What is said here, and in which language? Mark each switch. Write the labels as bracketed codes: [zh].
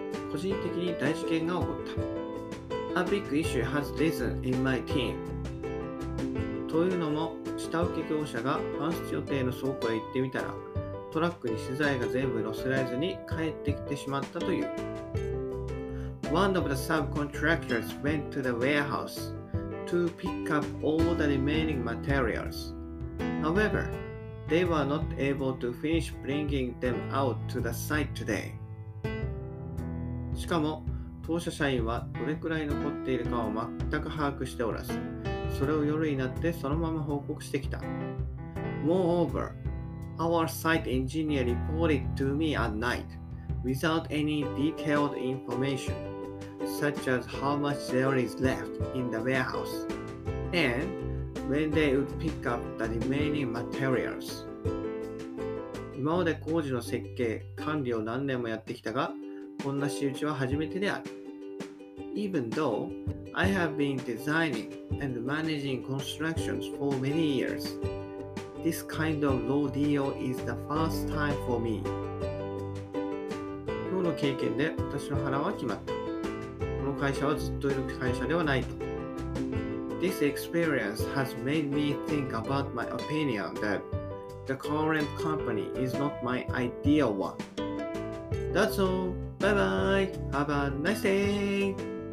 [ja] 個人的に大事件が起こった。 [en] A big issue has risen in my team. [ja] というのも、下請け業者が搬出予定の倉庫へ行ってみたら、トラックに資材が全部載せられずに帰ってきてしまったという。 [en] One of the subcontractors went to the warehouseto pick up all the remaining materials. However, they were not able to finish bringing them out to the site today. [ja] しかも、当社社員はどれくらい残っているかを全く把握しておらず、それを夜になってそのまま報告してきた。 [en] Moreover, our site engineer reported to me at night without any detailed information. such as how much there is left in the warehouse, and when they would pick up the remaining materials. [ja] 今まで工事の設計、管理を何年もやってきたが、こんな仕打ちは初めてである。 [en] Even though I have been designing and managing constructions for many years, this kind of rodeo is the first time for me. [ja] 今日の経験で私の腹は決まった。会社はずっといる会社ではないと。 [en] This experience has made me think about my opinion that the current company is not my ideal one. That's all. Bye bye. Have a nice day.